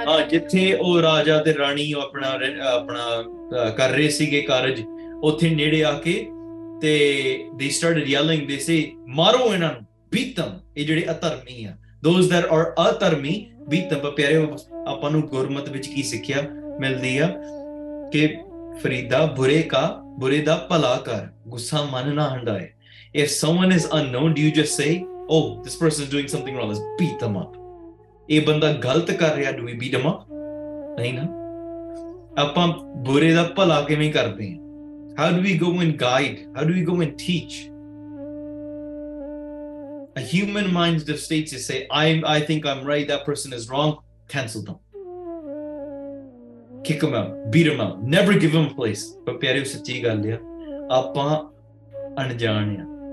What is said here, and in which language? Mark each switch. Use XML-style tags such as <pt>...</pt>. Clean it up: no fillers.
<pa>ਜਿੱਥੇ ਉਹ ਰਾਜਾ ਤੇ ਰਾਣੀ ਆਪਣਾ ਆਪਣਾ ਕਰ ਰਹੇ ਸੀਗੇ ਕਾਰਜ, ਉੱਥੇ ਨੇੜੇ ਆ ਕੇ ਤੇ</pa> <en>they started yelling, they say</en> <pa>ਮਾਰੋ ਇਹਨਾਂ ਨੂੰ,</pa> <en>ਬੀਤਮ,</en> <pa>ਇਹ ਜਿਹੜੇ ਅਧਰਮੀ ਆ,</pa> <en>those that R</en> <pa>ਅਧਰਮੀ, ਬੀਤਮ. ਪਿਆਰੇ, ਆਪਾਂ ਨੂੰ ਗੁਰਮਤ ਵਿੱਚ ਕੀ ਸਿੱਖਿਆ ਮਿਲਦੀ ਆ ਕਿ ਫਰੀਦਾ, ਬੁਰੇ ਦਾ ਭਲਾ ਕਰ, ਗੁੱਸਾ ਮਨ ਨਾ ਹੰਡਾਏ.</pa> <en>If someone is unknown, do you just say, oh, this person is doing something wrong, let's beat them up.</en> <pa>ਇਹ ਬੰਦਾ ਗਲਤ ਕਰ ਰਿਹਾ,</pa> <en>do we beat him up?</en> <pa>ਨਹੀਂ ਨਾ. ਆਪਾਂ ਬੁਰੇ ਦਾ ਭਲਾ ਕਿਵੇਂ ਕਰਦੇ ਹਾਂ?</pa> <en>How do we go and guide? How do we go and teach? A human mind states to say, I think I'm right, that person is wrong. Cancel them. Kick them out. Beat them out. Never give them a place. But</en> <pa>pyare sachi gall ya, aapan anjaan ya.</pa>